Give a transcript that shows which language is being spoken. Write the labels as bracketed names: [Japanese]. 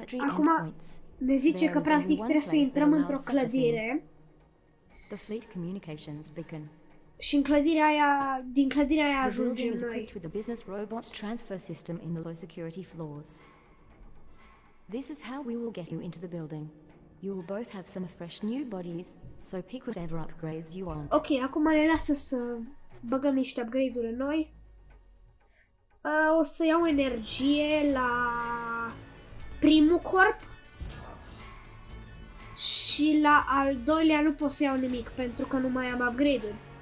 [Romanian] Acum... Ne zice că practic trebuie să intrăm într-o clădire. [English] The fleet communications beacon. [Romanian] Și în clădirea aia, din clădirea aia ajungem noi. [English] With the business robot transfer system in the low security floors. This is how we will get you into the building. You will both have some fresh new bodies, so pick whatever upgrades you want. [Romanian] Ok, acum ne lasă să băgăm niște upgrade-uri noi. O să iau energie la primul corp. Și la al doilea nu pot să iau nimic, pentru că nu mai am upgrade-uri.